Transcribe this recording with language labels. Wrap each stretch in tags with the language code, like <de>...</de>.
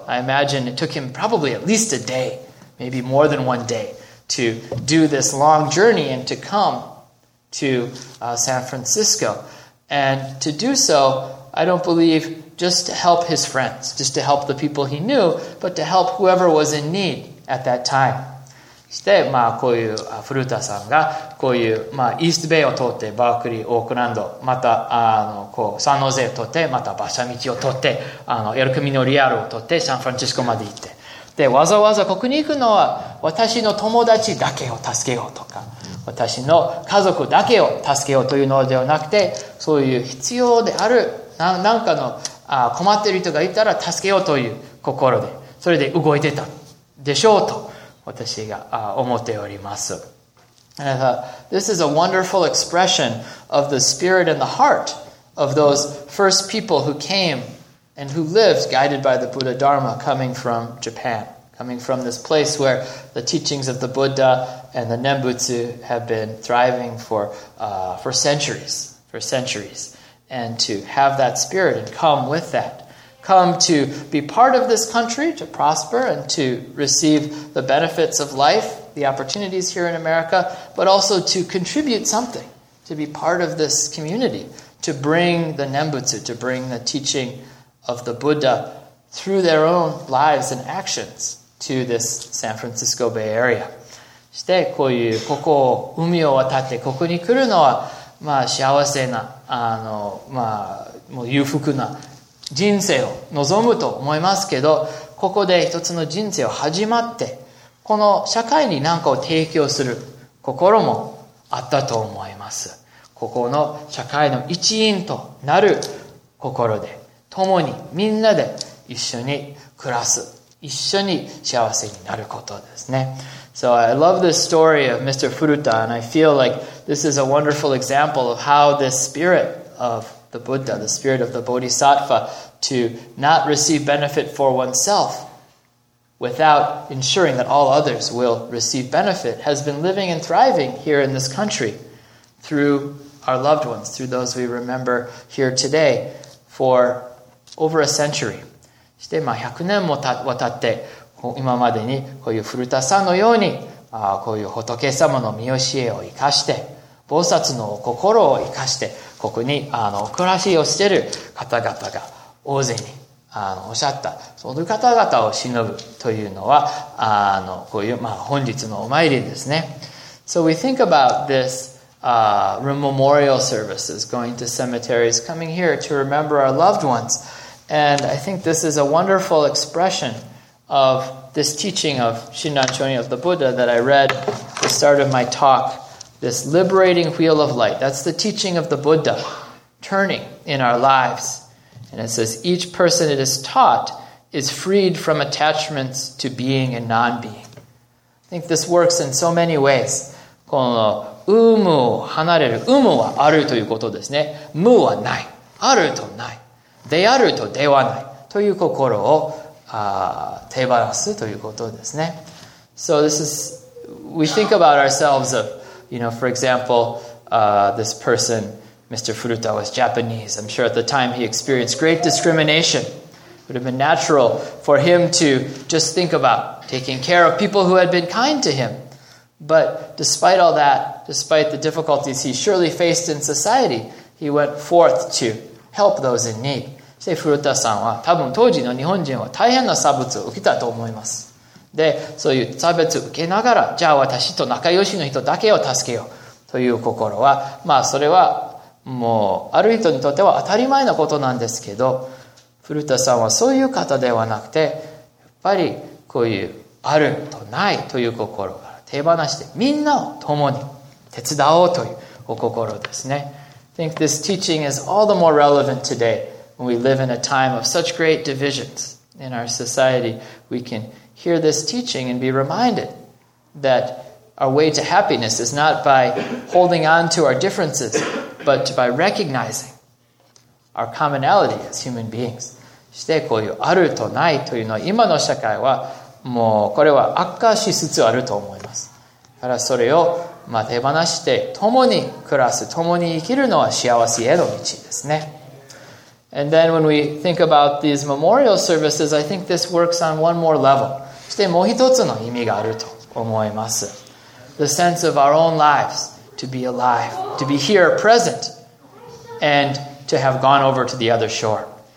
<en>I imagine it took him probably at least a day, maybe more than one day, to do this long journey and to come to San Francisco. And to do so, I don't believe just to help his friends, just to help the people he knew, but to help whoever was in need at that time.</en> <ja>そして、まあ、こういう、フルータさんが、こういう、まあ、イーストベイを通って、バークリー、オークランド、また、こう、サンノゼを通って、また、馬車道を通って、エルカミノリアルを通って、サンフランシスコまで行って。で、わざわざここに行くのは、私の友達だけを助けようとか、私の家族だけを助けようというのではなくて、そういう必要である、なんかの、困っている人がいたら助けようという心で、それで動いてたでしょうと。私が思っております。</ja> <en>And I thought, this is a wonderful expression of the spirit and the heart of those first people who came and who lived guided by the Buddha Dharma coming from Japan, coming from this place where the teachings of the Buddha and the Nembutsu have been thriving for centuries, and to have that spirit and come with that. Come to be part of this country, to prosper and to receive the benefits of life, the opportunities here in America, but also to contribute something, to be part of this community, to bring the Nembutsu, to bring the teaching of the Buddha through their own lives and actions to this San Francisco Bay Area.</en> <ja>して、こういう、ここを、海を渡って、ここに来るのは、まあ、幸せな、まあ、もう、裕福な人生を望むと思いますけど、ここで一つの人生を始まって、この社会に何かを提供する心もあったと思います。ここの社会の一員となる心で、共にみんなで一緒に暮らす、一緒に幸せになることですね。</ja> <en>So I love this story of Mr. Furuta, and I feel like this is a wonderful example of how this spirit of the Buddha, the spirit of the Bodhisattva, to not receive benefit for oneself without ensuring that all others will receive benefit, has been living and thriving here in this country through our loved ones, through those we remember here today, for over a century.</en> <ja>そして、まあ、100年も渡って、今までに、こういう古田さんのように、こういう仏様の御教えを生かして、菩薩の心を生かして、ここに、暮らしをしている方々が大勢に、おっしゃった、その方々を偲ぶというのは、こういう、まあ、本日のお参りですね。</ja> <en>So we think about this, memorial services, going to cemeteries, coming here to remember our loved ones. And I think this is a wonderful expression of this teaching of Shinran Choni of the Buddha that I read at the start of my talk, this liberating wheel of light. That's the teaching of the Buddha, turning in our lives. And it says, each person it is taught is freed from attachments to being and non-being. I think this works in so many ways.</en> <ja>この有無を離れる、有無はあるということですね。無はない。あるとない。であるとではないという心を手放すということですね。</ja> <en>So this is, we think about ourselves of, you know, for example, this person, Mr. Furuta was Japanese. I'm sure at the time he experienced great discrimination. It would have been natural for him to just think about taking care of people who had been kind to him. But despite all that, despite the difficulties he surely faced in society, he went forth to help those in need.</en> <ja>で、古田さんは多分当時の日本人は大変な差別を受けたと思います。で、そういう差別を受けながら、じゃあ私と仲良しの人だけを助けようという心は、まあそれはもうある人にとっては当たり前なことなんですけど、古田さんはそういう方ではなくて、やっぱりこういうあるとないという心を手放してみんなを共に手伝おうというお心ですね。</ja> <en>I think this teaching is all the more relevant today. We live in a time of such great divisions in our society. We can hear this teaching and be reminded that our way to happiness is not by holding on to our differences, but by recognizing our commonality as human beings.</en> <ja>して、こういうあるとないというのは、今の社会はもうこれは悪化しつつあると思います。だからそれをまあ手放して、共に暮らす、共に生きるのは幸せへの道ですね。</ja> <en>And then when we think about these memorial services, I think this works on one more level.</en> <ja>そしてもう一つの意味があると思います。</ja> <en>The sense of our own lives, to be alive, to be here present, and to have gone over to the other shore.</en>